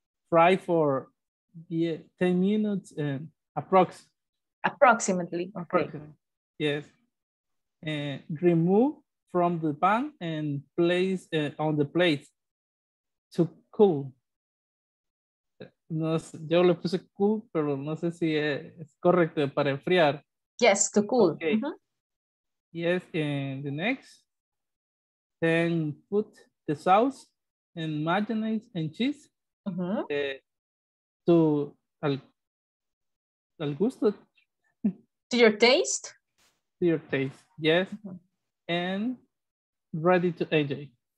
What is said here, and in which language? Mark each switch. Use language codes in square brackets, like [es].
[en] Fry for 10 minutes and approximately. Okay. Approximately. Yes. Remove from the pan and place on the plate to cool. [es] No sé, yo le puse cool, pero no sé si es correcto para enfriar. [en] Yes, to cool. Okay. Mm-hmm. Yes, and the next. Then put the sauce and mayonnaise and cheese, mm-hmm. To [es] al gusto. [en] To your taste? Your taste, yes, mm-hmm. And ready to enjoy.